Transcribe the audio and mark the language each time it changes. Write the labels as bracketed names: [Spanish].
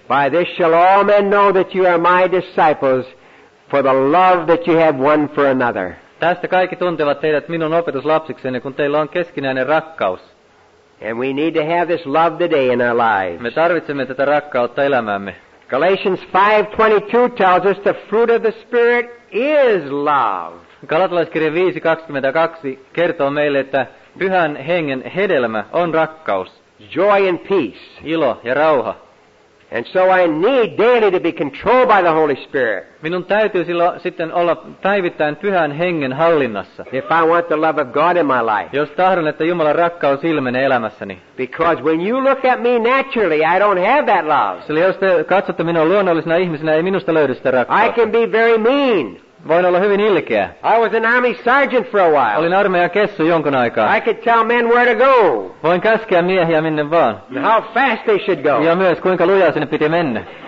[English] By this shall all men know that you are my disciples for the love that you have one for another. [Finnish] Tästä kaikki tuntevat teidät minun opetuslapsikseni, kun teillä on keskinäinen rakkaus. [English] And we need to have this love today in our lives. [Finnish] Me tarvitsemme tätä rakkautta elämäämme. [English] Galatians 5:22 tells us the fruit of the Spirit is love. [Finnish] Galatalaiskirja 5:22 kertoo meille, että pyhän hengen hedelmä on rakkaus. [English] Joy and peace. [Finnish] Ilo ja rauha. [English] And so I need daily to be controlled by the Holy Spirit. [Finnish] Minun täytyy sitten olla päivittäin pyhän hengen hallinnassa. [English] If I want the love of God in my life. [Finnish] Jos tahdon, että Jumalan rakkaus ilmenee elämässäni. [English] Because when you look at me naturally, I don't have that love. [Finnish] Sillä jos te katsotte minua luonnollisena ihmisenä, ei minusta löydy sitä rakkautta. [English] I can be very mean. [Finnish] Voin olla hyvin ilkeä. [English] I was an army sergeant for a while. [Finnish] Olin armeijan kessu jonkun aikaa. [English] I could tell men where to go. [Finnish] Voin käskeä miehiä minne vaan. [English] And how fast they should go. [Finnish] Ja myös kuinka lujaa sinne piti mennä.